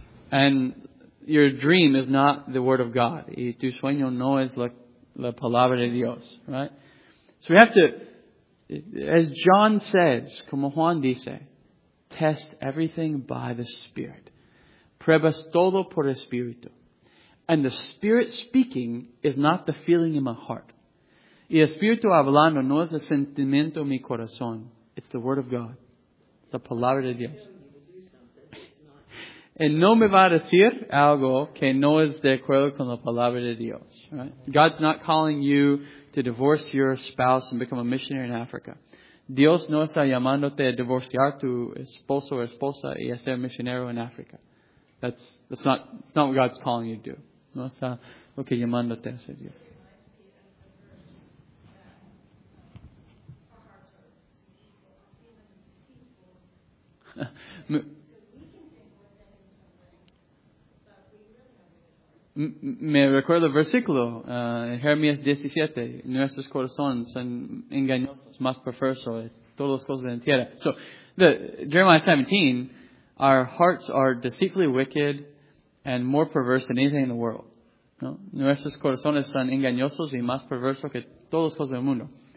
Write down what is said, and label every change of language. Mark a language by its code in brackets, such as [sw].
[en] And your dream is not the word of God. [es] Y tu sueño no es la palabra de Dios, right? [en] So we have to, as John says, [es] como Juan dice, [en] test everything by the Spirit. [es] Pruebas todo por Espíritu. [en] And the Spirit speaking is not the feeling in my heart. [es] Y Espíritu hablando no es el sentimiento en mi corazón. [en] It's the Word of God. It's the [es] Palabra de Dios. And no me va a decir algo que no es de acuerdo con la Palabra de Dios. [en] Right? God's not calling you to divorce your spouse and become a missionary in Africa. [es] Dios no está llamándote a divorciar tu esposo o esposa y a ser misionero en África. [en] That's not what God's calling you to do. [es] No está lo que llamándote a ser Dios. Me recuerdo el versículo, Jeremías 17, nuestros corazones son engañosos, más perversos de todas las cosas de la tierra. [en] So, Jeremiah 17, our hearts are deceitfully wicked and more perverse than anything in the world. [es] ¿No? Nuestros corazones son engañosos y más perversos que todas las cosas del mundo.